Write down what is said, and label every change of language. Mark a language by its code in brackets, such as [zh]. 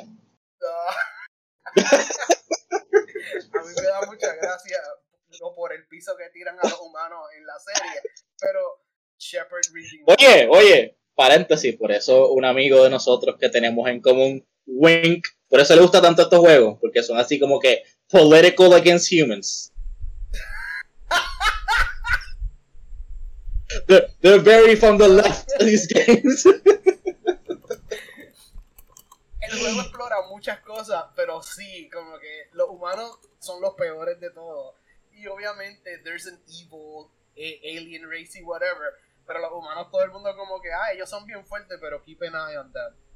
[es] A mí me da mucha gracia por el piso que tiran a los humanos en la serie, pero Shepard Reading. Oye, paréntesis, por eso un amigo de nosotros que tenemos en común, Wink, por eso le gusta tanto estos juegos, porque son así como que [en] political against humans. They're very from the left, these games. [es] El juego explora muchas cosas, pero sí, como que los humanos son los peores de todo. Y obviamente, [en] there's an evil alien race y whatever. [es] Pero los humanos, todo el mundo como que, ellos son bien fuertes, pero [en] keep an eye on that.